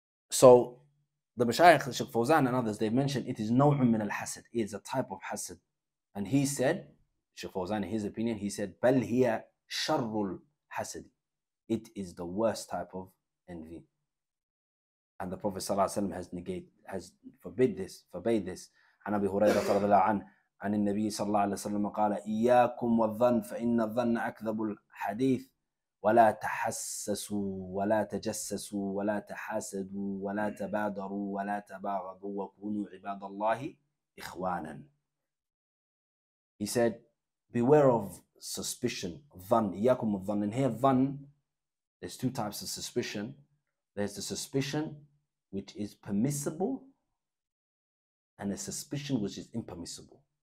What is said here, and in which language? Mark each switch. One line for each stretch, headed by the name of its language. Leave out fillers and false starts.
English: So the Mashayikh, Sheikh Fawzan and others, they mentioned it is
Arabic: naw'un min al-hasad.
English: It is a type of hasad. And he said, Sheikh Fawzan, in his opinion, he said,
Arabic: bal hiya sharrul hasad.
English: It is the worst type of envy. And the Prophet sallallahu alaihi wasallam has forbid this.
Arabic: عن أبي هريرة رضي الله عنه عن النبي صلى الله عليه وسلم قال إياكم والظن فإن الظن أكذب الحديث ولا تحسسوا ولا تجسسوا ولا تحاسدوا ولا تبادروا ولا تباغضوا وكونوا عباد الله إخوانا.
English: He said, beware of suspicion, ظن,
Arabic: إياكم والظن.
English: And here ظن, there's two types of suspicion. There's the suspicion which is permissible and a suspicion which is impermissible.